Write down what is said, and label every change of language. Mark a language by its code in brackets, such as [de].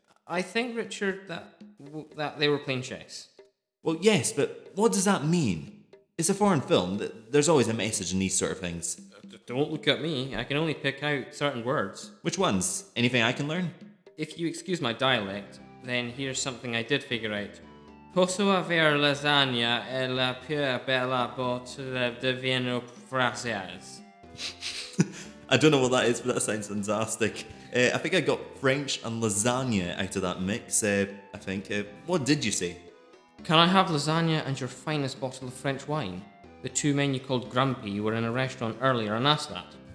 [en] I think, Richard, that they were playing chess. Well, yes, but what does that mean? It's a foreign film. There's always a message in these sort of things. Don't look at me. I can only pick out certain words. Which ones? Anything I can learn? If you excuse my dialect, then here's something I did figure out. [it] Posso avere lasagna e la più bella [en] bottle [it] di vino francese? [en] I don't know what that is, but that sounds fantastic. I think I got French and lasagna out of that mix, I think. What did you say? Can I have lasagna and your finest bottle of French wine? The two men you called grumpy were in a restaurant earlier and asked that.